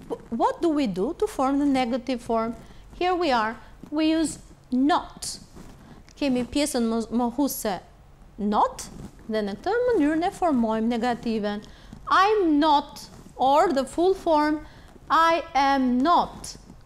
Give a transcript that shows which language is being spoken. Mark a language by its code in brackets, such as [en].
[en] What do we do to form the negative form? Here we are, we use not. [sq] Kemi pjesën mohuse not, dhe në këtë mënyrë ne formojmë negativen. [en] I'm not, or the full form, I am not.